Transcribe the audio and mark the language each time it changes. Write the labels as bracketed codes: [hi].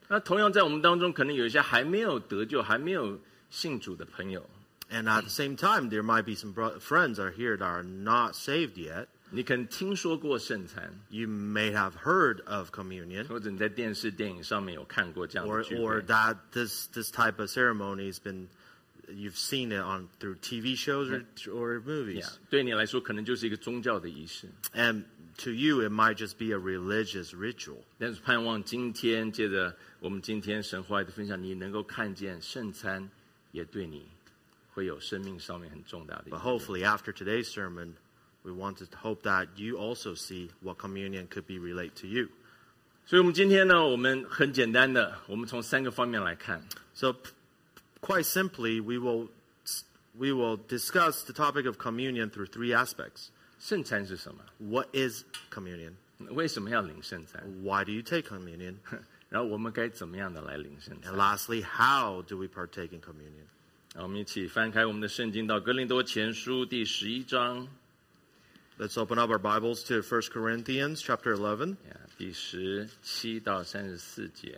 [zh] 那同样在我们当中，可能有一些还没有得救、还没有信主的朋友。 [en] And at the same time, there might be some friends are here that are not saved yet. [zh] 你可能听说过圣餐 [en] ，You may have heard of communion， [zh] 或者你在电视、电影上面有看过这样的聚会 [en] ，or that this type of ceremony has been you've seen it on through TV shows or movies。 [zh] Yeah, 对你来说，可能就是一个宗教的仪式 [en] ，and to you it might just be a religious ritual。 [zh] 但是盼望今天借着我们今天神话的分享，你能够看见圣餐也对你会有生命上面很重大的。 [en] But hopefully after today's sermon。 We want to hope that you also see what communion could be relate to you. [zh] 所以我们今天呢，我们很简单的，我们从三个方面来看。 [en] So, quite simply, we will discuss the topic of communion through three aspects. [zh] 圣餐是什么 [en] ？What is communion? [zh] 为什么要领圣餐 [en] ？Why do you take communion? [zh] 然后我们该怎么样的来领圣餐 [en] ？And lastly, how do we partake in communion? [zh] 我们一起翻开我们的圣经到哥林多前书第十一章。 [en] Let's open up our Bibles to 1 Corinthians chapter 11. [zh] Yeah, 第十七到三十四节。